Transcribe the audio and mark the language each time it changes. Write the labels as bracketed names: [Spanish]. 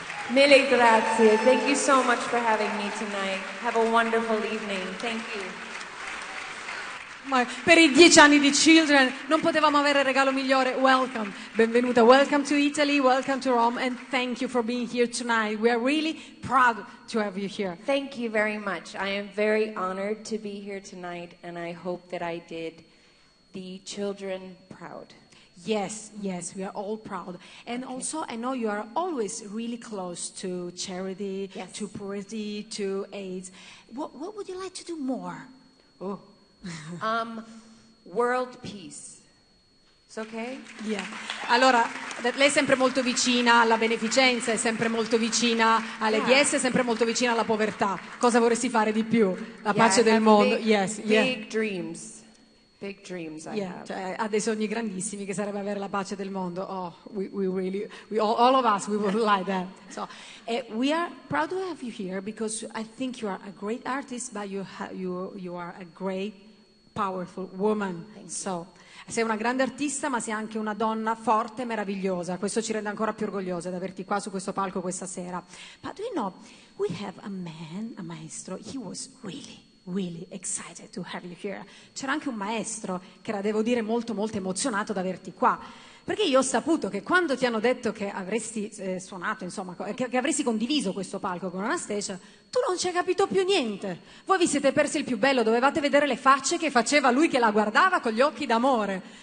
[Italian] Mille grazie. [English] Thank you so much for having me tonight. Have a wonderful evening. Thank you. [Italian] Ma per i 10 anni di Children non potevamo avere regalo migliore. [English] Welcome, benvenuta. Welcome to Italy. Welcome to Rome. And thank you for being here tonight. We are really proud to have you here. Thank you very much. I am very honored to be here tonight, and I hope that I did the children proud. Yes, yes, we are all proud. And okay. Also, I know you are always really close to charity, yes, to poverty, to AIDS. What would you like to do more? Oh. World peace. It's okay? Yeah. [Italian] Allora, lei è sempre molto vicina alla beneficenza, è sempre molto vicina alle AIDS, è sempre molto vicina alla povertà. Cosa vorresti fare di più? La pace del mondo. [English] Big, yes, big dreams. Big dreams I have. [Italian] Cioè, ha dei sogni grandissimi che sarebbe avere la pace del mondo. [English] Oh, we would like that. So, we are proud to have you here because I think you are a great artist, but you are a great, powerful woman. [Italian] So, sei una grande artista, ma sei anche una donna forte e meravigliosa. Questo ci rende ancora più orgogliose di averti qua su questo palco questa sera. But you know, we have a man, a maestro. He was really excited to have you here. C'era anche un maestro che era, devo dire, molto molto emozionato ad averti qua, perché io ho saputo che quando ti hanno detto che avresti suonato, insomma, che avresti condiviso questo palco con Anastacia, tu non ci hai capito più niente. Voi vi siete persi il più bello, dovevate vedere le facce che faceva lui che la guardava con gli occhi d'amore.